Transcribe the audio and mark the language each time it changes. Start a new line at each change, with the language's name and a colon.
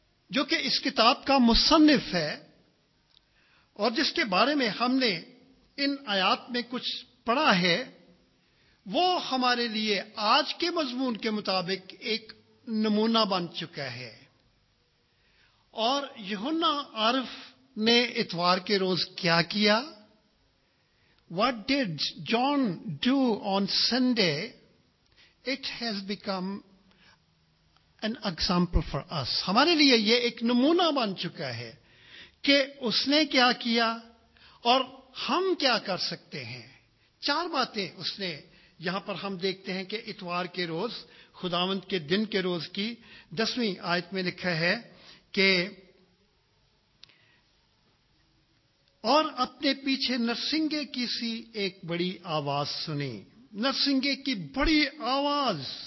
Urdu: جو کہ اس کتاب کا مصنف ہے، اور جس کے بارے میں ہم نے ان آیات میں کچھ پڑھا ہے، وہ ہمارے لیے آج کے مضمون کے مطابق ایک نمونہ بن چکا ہے۔ اور یوحنا عارف نے اتوار کے روز کیا کیا،
English: What did John do on Sunday? It has become an example for us.
Urdu: ہمارے لیے یہ ایک نمونہ بن چکا ہے کہ اس نے کیا کیا اور ہم کیا کر سکتے ہیں۔ 4 باتیں اس نے یہاں پر ہم دیکھتے ہیں کہ اتوار کے روز، خداوند کے دن کے روز کی 10 آیت میں لکھا ہے کہ اور اپنے پیچھے نرسنگے کی سی ایک بڑی آواز سنی۔ نرسنگے کی بڑی آواز